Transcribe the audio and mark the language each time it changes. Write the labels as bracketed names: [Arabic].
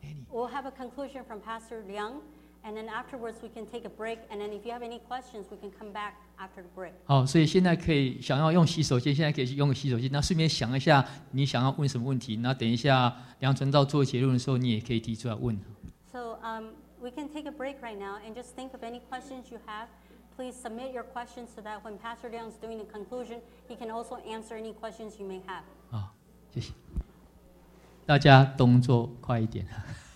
[English] We'll have a conclusion from Pastor Liang, and then afterwards we can take a break. And then if you have any questions, we can come back after the break. [Chinese] 好，所以现在可以想要用洗手间，现在可以去用洗手间。那顺便想一下你想要问什么问题。那等一下梁晨道做结论的时候，你也可以提出来问。 [English] We can take a break right now and just think of any questions you have. Please submit your questions so that when Pastor Liang is doing the conclusion, he can also answer any questions you may have. [Chinese] 好，谢谢。大家动作快一点。